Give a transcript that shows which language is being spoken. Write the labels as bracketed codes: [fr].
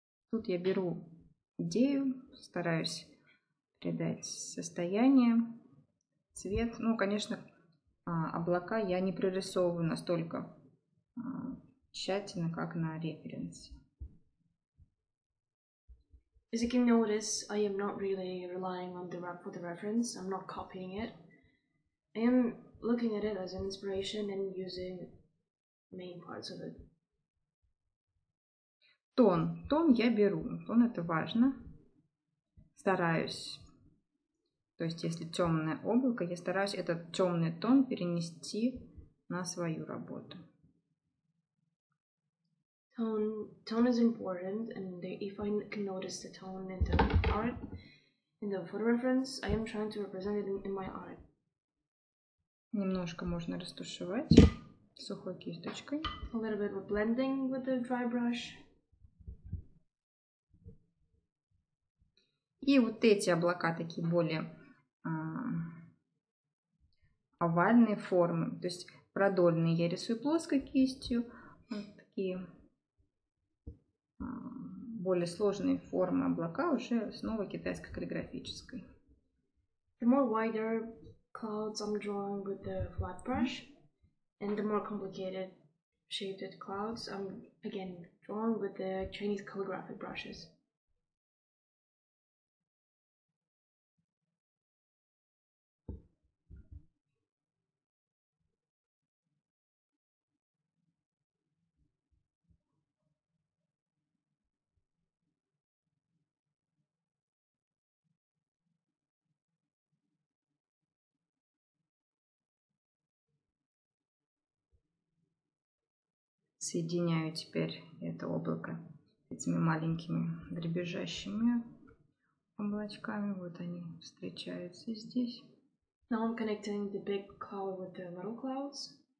[ru] Тут я беру идею, стараюсь передать состояние, цвет. Ну, конечно, облака я не прорисовываю настолько тщательно, как на референсе. [en] As you can notice, I am not really relying on the rep for the reference. I'm not copying it. I am looking at it as an inspiration and using main parts of it. [ru] Тон. Тон я беру. Тон — это важно. Стараюсь. То есть, если темное облако, я стараюсь этот темный тон перенести на свою работу. [en] Tone is important, and if I can notice the tone in the art, in the photo reference, I am trying to represent it in my art. [ru] Немножко можно растушевать сухой кисточкой. [en] A little bit of blending with the dry brush. [ru] И вот эти облака такие более овальные формы, то есть продольные. Я рисую плоской кистью вот такие более сложные формы облака уже снова китайской каллиграфической. [en] The more wider clouds I'm drawing with the flat brush, and the more complicated shaped clouds I'm again drawing with the Chinese calligraphic brushes. [ru] Соединяю теперь это облако этими маленькими дребезжащими облачками. Вот они встречаются здесь. [en] Now I'm connecting the big cloud with the little clouds.